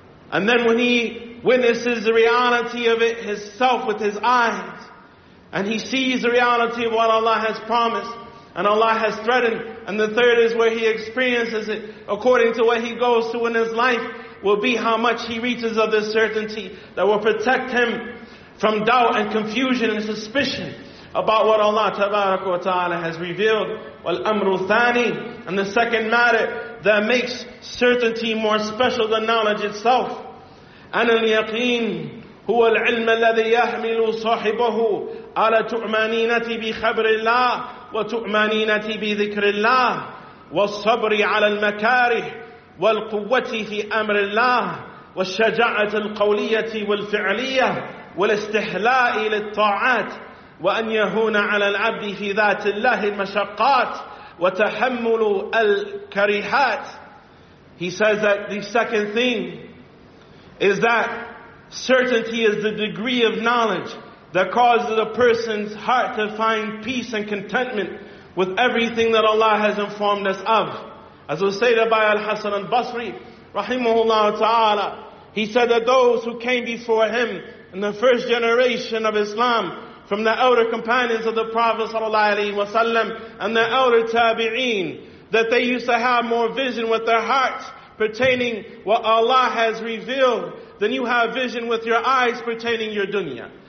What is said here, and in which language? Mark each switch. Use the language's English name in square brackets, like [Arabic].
[English] and then when he witnesses the reality of it himself with his eyes, and he sees the reality of what Allah has promised and Allah has threatened, and the third is where he experiences it according to what he goes through in his life, will be how much he reaches of this certainty that will protect him from doubt and confusion and suspicion about what Allah tabarak wa ta'ala has revealed. [Arabic] وَالْأَمْرُ ثَانِي. [English] And the second matter that makes certainty more special than knowledge itself, [Arabic] أَنَ الْيَقِينَ هو العلم الذي يحمل صاحبه على تؤمنينة بخبر الله وتؤمنينة بذكر الله والصبر على المكاره والقوة في أمر الله والشجاعة القولية والفعلية والاستحلاء للطاعات وأن يهون على العبد في ذات الله المشقات وتحمل الكريهات. [English] He says that the second thing is that certainty is the degree of knowledge that causes a person's heart to find peace and contentment with everything that Allah has informed us of. As was stated by Al-Hasan al-Basri, rahimahullah ta'ala, he said that those who came before him in the first generation of Islam, from the elder companions of the Prophet sallallahu alaihi wasallam and the elder tabi'een, that they used to have more vision with their hearts pertaining what Allah has revealed than you have vision with your eyes pertaining your dunya.